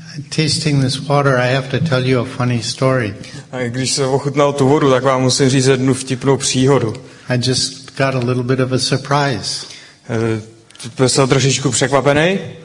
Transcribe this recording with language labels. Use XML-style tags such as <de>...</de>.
<en>Tasting this water, I have to tell you a funny story.</en> <cs>A když jsem ochutnal tu vodu, tak vám musím říct jednu vtipnou příhodu.</cs> <en>I just got a little bit of a surprise.</en> <cs>Byl jsem trošičku překvapený.</cs>